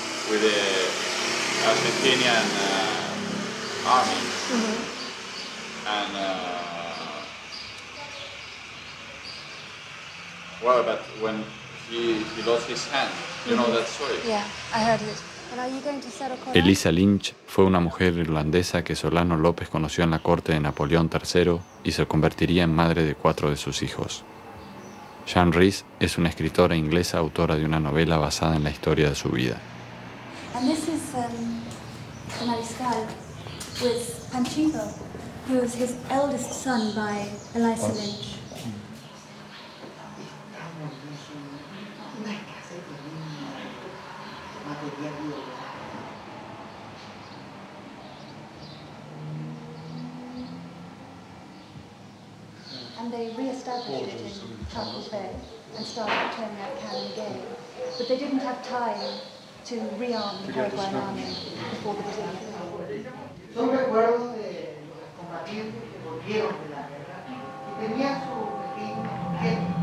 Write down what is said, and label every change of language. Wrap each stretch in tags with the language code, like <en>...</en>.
<en>With the Argentinian army. Mm-hmm. And, well, but when he lost his hand, mm-hmm. you know that story? Yeah, I heard it. And are you going to set a court?</en> <es>Elisa Lynch fue una mujer irlandesa que Solano López conoció en la corte de Napoleón III y se convertiría en madre de cuatro de sus hijos. Jean Rhys es una escritora inglesa autora de una novela basada en la historia de su vida.</es> <en>And this is the Mariscal with Panchito, who is his eldest son by Eliza Lynch. And they re-established it in Chapel Bay and started turning out cannon again. But they didn't have time to rearm the Paraguayan army before the Brazilian War.</en> <es>Yo recuerdo de los combatientes que volvieron de la guerra, que tenía su pequeño mujer.</es>